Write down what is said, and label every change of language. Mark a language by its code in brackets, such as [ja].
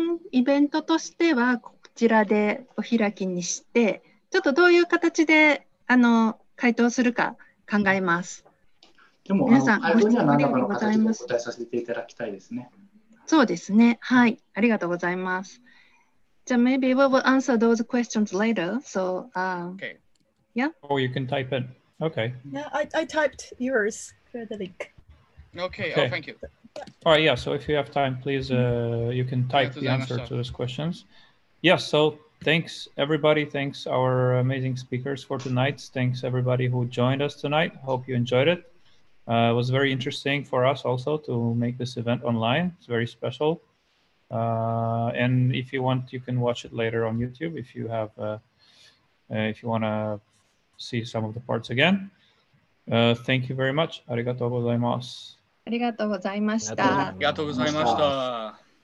[ja] イベントとしては告ちらでお開きにして、ちょっとどういう形で回答するか考えます。でも皆さん、会場には何らかの形でお答えさせていただきたいですね。そうですね、はい、ありがとうございます。 [en] じゃあ maybe we will answer those questions later. So, okay. Yeah. Or you can type it. Okay. Yeah, I typed yours for the link. Okay. Okay. Oh, thank you. All right. Yeah. So if you have time, please, you can type the answer to those questions. Yes. Yeah, so thanks everybody. Thanks our amazing speakers for tonight. Thanks everybody who joined us tonight. Hope you enjoyed it. It was very interesting for us also to make this event online. It's very special. And if you want, you can watch it later on YouTube if you have, if you want to see some of the parts again. Thank you very much. [ja] ありがとうございます。ありがとうございました。ありがとうございました。